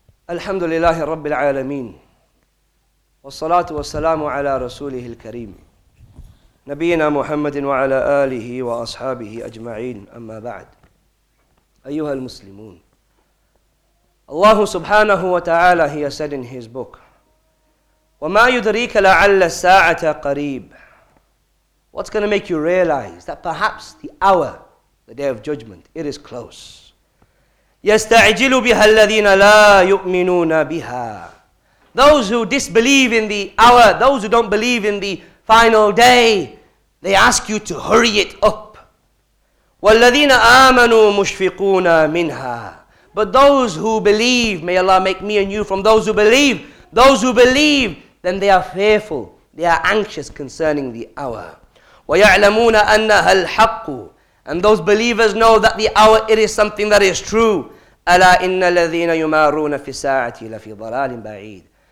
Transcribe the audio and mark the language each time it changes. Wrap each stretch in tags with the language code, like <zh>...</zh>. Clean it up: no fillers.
<ar>الحمد لله رب العالمين والصلاة والسلام على رسوله الكريم نبينا محمد وعلى آله وأصحابه أجمعين أما بعد أيها المسلمون الله سبحانه وتعالى</ar> <en>he has said in his book</en> <ar>وما يدريك لعل الساعة قريب.</ar> <en>What's going to make you realize that perhaps the hour, the day of judgment, it is close.</en> <ar>يستعجل بها الذين لا يؤمنون بها.</ar> <en>Those who disbelieve in the hour, those who don't believe in the final day, they ask you to hurry it up.</en> <ar>والذين آمنوا مشفقون منها.</ar> <en>But those who believe, may Allah make me and you from those who believe, then they are fearful, they are anxious concerning the hour.</en> <ar>ويعلمون أنها الحق.</ar> <en>And those believers know that the hour, it is something that is true.</en> <ar>أَلَا إِنَّ الَّذِينَ يُمَارُونَ فِي السَّاعَةِ لَفِي ضَلَالٍ بَعِيدٍ.</ar>